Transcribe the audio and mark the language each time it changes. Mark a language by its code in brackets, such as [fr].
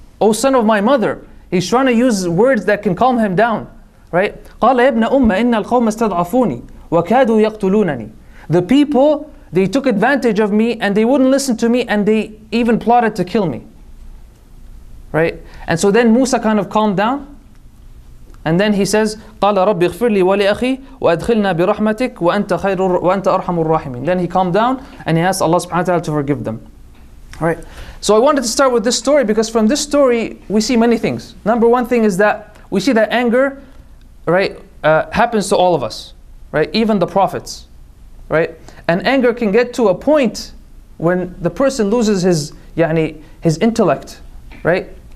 [en] O son of my mother. He's trying to use words that can calm him down. Right? [ar] قَالَ يَبْنَ أُمَّ إِنَّ الْقَوْمَ اسْتَضْعَفُونِي وَكَادُوا يَقْتُلُونَنِي. [en] The people, they took advantage of me and they wouldn't listen to me and they even plotted to kill me. Right? And so then Musa kind of calmed down. And then he says, [ar] قَالَ رَبِّ اغْفِرْ لِي وَلِأَخِي وَأَدْخِلْنَا بِرَحْمَتِكَ وَأَنْتَ أَرْحَمُ الرَّاحِمِينَ. [en] Then he calmed down and he asked Allah subhanahu wa ta'ala to forgive them. Right? So I wanted to start with this story because from this story we see many things. Number one thing is that we see that anger, right, happens to all of us, right? Even the prophets, right? And anger can get to a point when the person loses his, yani, his intellect, right?